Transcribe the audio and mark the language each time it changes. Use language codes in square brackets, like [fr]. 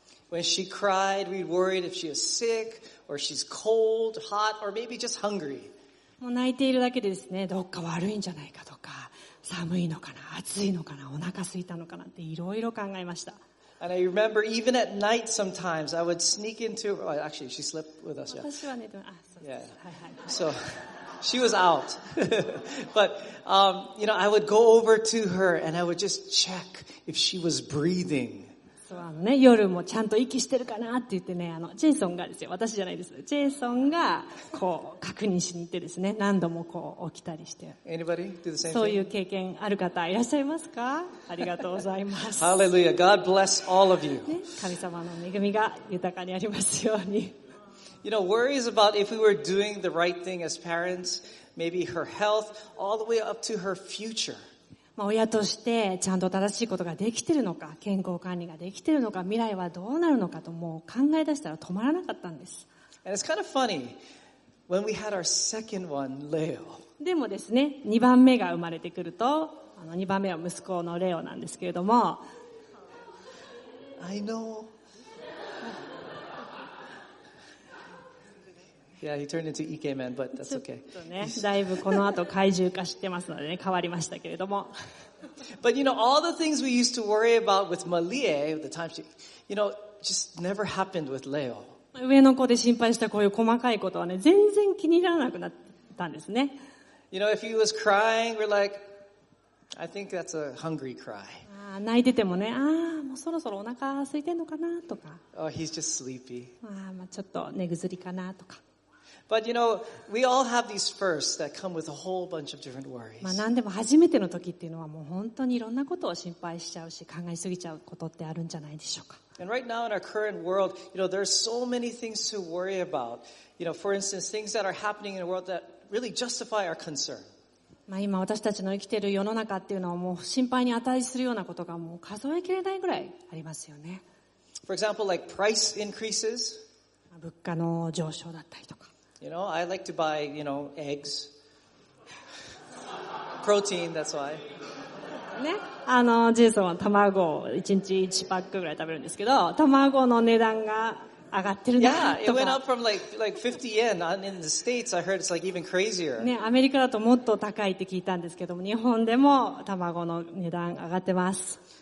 [en] When she cried, we worried if she was sick, or she's cold, hot, or maybe just hungry. [ja] もう泣いているだけでですね、どっか悪いんじゃないかとか、寒いのかな、暑いのかな、お腹空いたのかなっていろいろ考えました。 [en] And I remember even at night sometimes I would sneak into her, well, actually she slept with us, yeah. [ja] 私は寝てます。あ、そうです。 [en] Yeah. [ja] はいはい。 [en] So,She was out. But, you know, I would go over to her and I would just check if she was breathing. [ja] そうね、夜もちゃんと息してるかなって言ってね、ジェイソンがですよ、私じゃないです。ジェイソンが、こう、確認しに行ってですね、何度もこう、起きたりして。 [en] Anybody do the same thing? [ja] そういう経験ある方いらっしゃいますか?ありがとうございます。 [en] Hallelujah. God bless all of you. [ja] 神様の恵みが豊かにありますように。 [en] You know, worries about if we were doing the right thing as parents, maybe her health, all the way up to her future. [ja] 親としてちゃんと正しいことができているのか、健康管理ができているのか、未来はどうなるのかともう考え出したら止まらなかったんです。 [en] And it's kind of funny. When we had our second one, Leo. [ja] でもですね、2番目が生まれてくると、あの2番目は息子のレオなんですけれども。 [en] I know. Yeah, he turned into Ikemen, but that's okay. [ja] ちょっとね、だいぶこの後怪獣化してますのでね、変わりましたけれども。 [en] But you know, all the things we used to worry about with Malie, the time she, you know, just never happened with Leo. [ja] 上の子で心配したこういう細かいことはね、全然気にならなくなったんですね。 [en] You know, if he was crying, we're like, I think that's a hungry cry. [ja] 泣いててもね、ああ、もうそろそろお腹空いてんのかなとか。 [en] Oh, he's just sleepy. [ja] まあちょっと寝ぐずりかなとか。 [en] But you know, we all have these firsts that come with a whole bunch of different worries. [ja] まあ何でも初めての時っていうのはもう本当にいろんなことを心配しちゃうし、考えすぎちゃうことってあるんじゃないでしょうか。 [en] And right now in our current world, you know, there's so many things to worry about. You know, for instance, things that are happening in the world that really justify our concern. [ja] まあ今私たちの生きている世の中っていうのはもう心配に値するようなことがもう数え切れないぐらいありますよね。 [en] For example, like price increases. [ja] 物価の上昇だったりとか。 [en] You know, I like to buy, you know, eggs. Protein, that's why. [ja] ね。あの、ジェイソンは卵を1日1パックぐらい食べるんですけど、卵の値段が上がってるなとか。 [en] Yeah, it went up from like 50 yen. In the States, I heard it's like even crazier. [ja] ね、アメリカだともっと高いって聞いたんですけども、日本でも卵の値段上がってます。